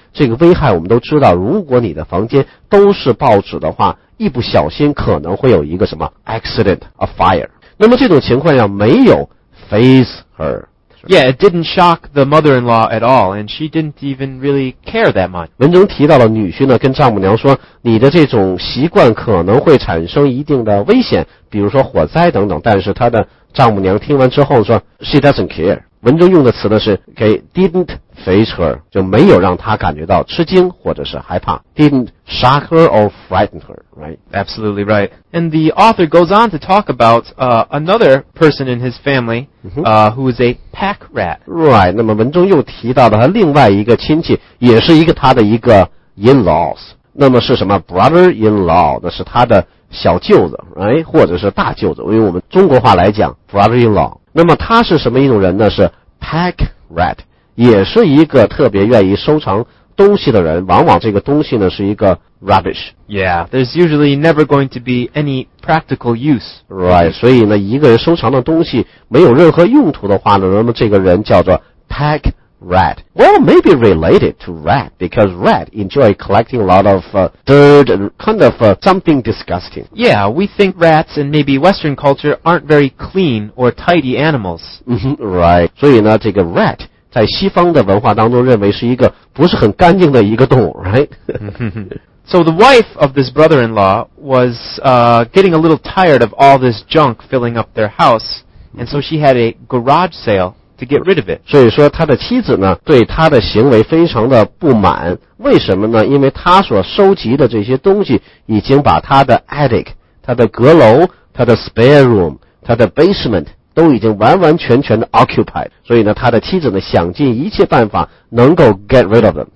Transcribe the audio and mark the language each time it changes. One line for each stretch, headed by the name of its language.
Chinese: 这个危害我们都知道，如果你的房间都是报纸的话，一不小心可能会有一个什么
English: accident, a fire.
Chinese: 那么这种情况下没有
English: faze her. Yeah, it didn't shock the mother-in-law at all, and she didn't even really care that much.
Chinese: 文中提到了女婿呢，跟丈母娘说，你的这种习惯可能会产生一定的危险，比如说火灾等等。但是他的丈母娘听完之后说 ，
English: she doesn't care.
Chinese: 文中用的词呢是 ，
English: okay, didn't faze her,
Chinese: 就没有让她感觉到吃惊或者是害怕 ，
English: didn't shock her or frighten her, right? Absolutely right. And the author goes on to talk about another person in his family, who is a pack rat.
Chinese: Right. 那么文中又提到了他另外一个亲戚，也是一个他的一个 in-laws。那么是什么 ？Brother-in-law, 那是他的小舅子，哎，或者是大舅子。用我们中国话来讲 ，brother-in-law。那么他是什么一种人呢？是 pack rat, 也是一个特别愿意收藏东西的人。往往这个东西呢是一个 rubbish。
English: Yeah, there's usually never going to be any practical use. Right.
Chinese: 所以呢，一个人收藏的东西没有任何用途的话呢，那么这个人叫做 pack。
English: Rat. Well, maybe related to rat, because rat enjoy collecting a lot of dirt and kind of something disgusting. Yeah, we think rats and maybe Western culture aren't very clean or tidy animals.
Chinese: Right. 所以呢，这个 rat 在西方的文化当中认为是一个不是很干净的一个动物 right?
English: So the wife of this brother-in-law was getting a little tired of all this junk filling up their house, and so she had a garage sale. To get rid of it.
Chinese: 所以说他的妻子呢对他的行为非常的不满，为什么呢？因为他所收集的这些东西已经把他的 attic, 他的阁楼，他的 spare room, 他的 basement 都已经完完全全的 occupied, 所以呢他的妻子呢想尽一切办法能够
English: get rid of them.